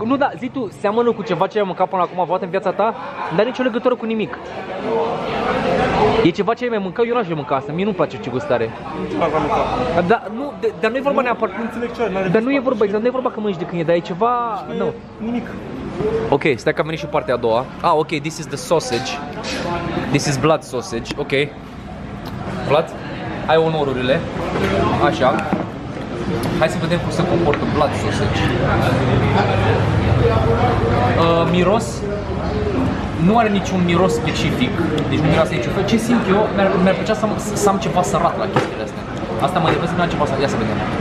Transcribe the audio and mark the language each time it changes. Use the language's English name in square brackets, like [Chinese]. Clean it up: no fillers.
[Romanian] Nu, da, zi tu, seamănă cu ceva ce ai mâncat până acum vreodată în viața ta? N-are nicio legătură cu nimic. E ceva ce ai mai mâncat? Eu n-aș mânca asta, mie nu-mi place ce gust are. Dar nu, dar nu e vorba neapărat. Dar nu e vorba, exact, nu e vorba că mănânci de câine, dar e ceva... Nu. Nimic. Ok, stai că a venit și partea a doua. [English] Ah, ok, this is the sausage. This is blood sausage, ok. [Romanian] Vlad, ai onorurile. Așa. Hai să vedem cum se comportă blood sausage. Miros? Nu are niciun miros specific, deci nu miroase niciun fel. Ce simt eu? Mi-ar plăcea să am ceva sărat la chestiile astea. Asta mă depăsă, mi-am ceva sărat. Ia să vedem.